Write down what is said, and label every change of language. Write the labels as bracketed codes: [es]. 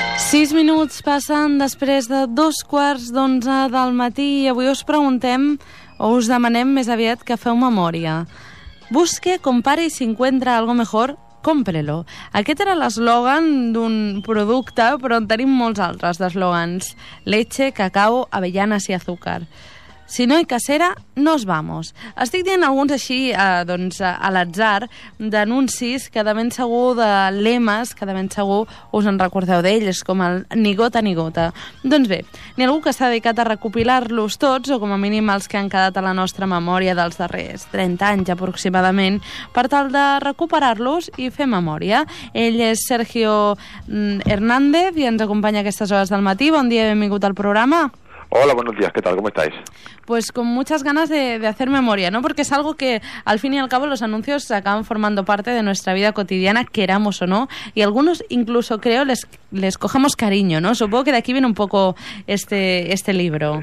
[ca] 6 minuts passen després de 11:15 del matí i avui us preguntem, o us demanem més aviat, que feu memòria. [es] Busque, compare y si encuentra algo mejor, cómprelo. [ca] Aquest era l'eslògan d'un producte, però en tenim molts altres d'eslògans. [es] Leche, cacao, avellanas y azúcar. Si no hay casera, nos vamos. [ca] Estic dient alguns així, doncs, a l'atzar, d'anuncis que de ben segur, de lemes, que de ben segur us en recordeu d'ells, com el ni gota ni gota. Doncs bé, n'hi ha algú que s'ha dedicat a recopilar-los tots, o com a mínim els que han quedat a la nostra memòria dels darrers 30 anys aproximadament, per tal de recuperar-los i fer memòria. Ell és Sergio Hernández i ens acompanya a aquestes hores del matí. Bon dia, benvingut al programa. [es] Hola, buenos días, ¿qué tal? ¿Cómo estáis? Pues con muchas ganas de hacer memoria, ¿no? Porque es algo que, al fin y al cabo, los anuncios acaban formando parte de nuestra vida cotidiana, queramos o no, y algunos incluso, creo, les cogemos cariño, ¿no? Supongo que de aquí viene un poco este libro.